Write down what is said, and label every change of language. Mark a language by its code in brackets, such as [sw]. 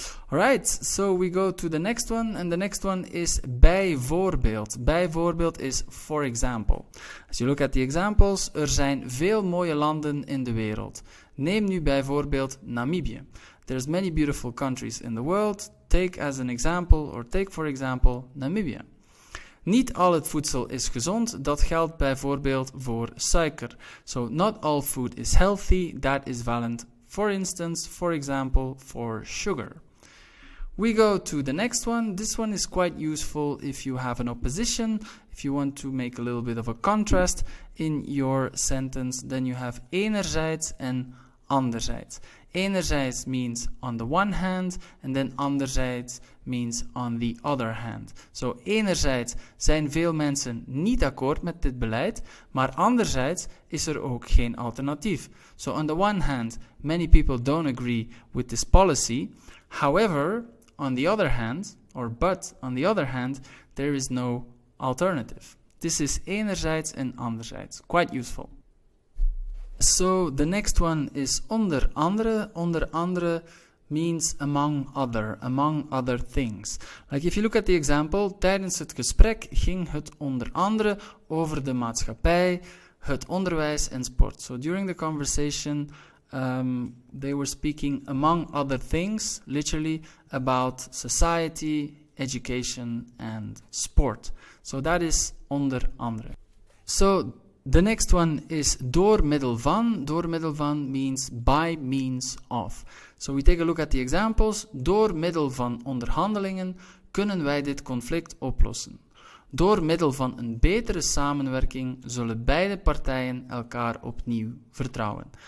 [en] Alright, so we go to the next one. And the next one is bijvoorbeeld. Bijvoorbeeld is for example. As you look at the examples, [nl] er zijn veel mooie landen in de wereld. Neem nu bijvoorbeeld Namibië. [en] There's many beautiful countries in the world. Take as an example, or take for example, Namibia. [nl] Niet al het voedsel is gezond. Dat geldt bijvoorbeeld voor suiker. [en] So not all food is healthy. That is valid, for instance, for example, for sugar. We go to the next one. This one is quite useful if you have an opposition. If you want to make a little bit of a contrast in your sentence, then you have enerzijds and anderzijds. Enerzijds means on the one hand, and then anderzijds means on the other hand. [nl] So, enerzijds zijn veel mensen niet akkoord met dit beleid, maar anderzijds is er ook geen alternatief. [en] So, on the one hand, many people don't agree with this policy. However, on the other hand, or but on the other hand, there is no alternative. This is enerzijds en anderzijds. Quite useful. So the next one is onder andere. Onder andere means among other things. Like if you look at the example, [nl] tijdens het gesprek ging het onder andere over de maatschappij, het onderwijs en sport. [en] So during the conversation, they were speaking among other things, literally about society, education and sport. So that is onder andere. So the next one is door middel van. Door middel van means by means of. So we take a look at the examples. [nl] Door middel van onderhandelingen kunnen wij dit conflict oplossen. Door middel van een betere samenwerking zullen beide partijen elkaar opnieuw vertrouwen.